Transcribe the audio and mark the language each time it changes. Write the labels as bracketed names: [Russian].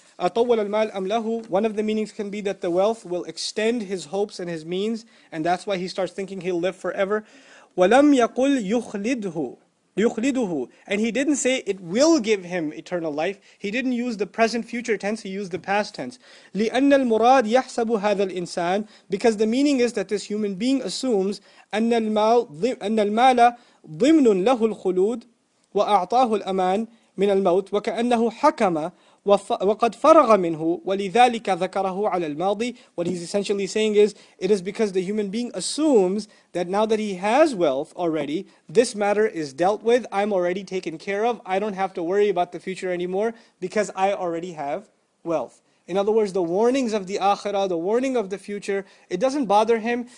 [English] One of the meanings can be that the wealth will extend his hopes and his means, and that's why he starts thinking he'll live forever. [Arabic] وَلَمْ يَقُلْ يُخْلِدُهُ. [English] And he didn't say it will give him eternal life. He didn't use the present future tense, he used the past tense. [Arabic] لِأَنَّ الْمُرَادِ يَحْسَبُ هَذَا الْإِنسَانِ. [English] Because the meaning is that this human being assumes [Arabic] أَنَّ الْمَالَ ضِمْنٌ لَهُ الْخُلُودِ وَأَعْطَاهُ الْأَمَانِ مِنَ الْمَوْتِ وَكَأَنَّهُ حَكَمَ وَقَدْ فَرَغَ مِنْهُ وَلِذَٰلِكَ ذَكَرَهُ عَلَى الْمَاضِي. [English] What he's essentially saying is, it is because the human being assumes that now that he has wealth already, this matter is dealt with, I'm already taken care of, I don't have to worry about the future anymore because I already have wealth. In other words, the warnings of the akhirah, the warning of the future, it doesn't bother him.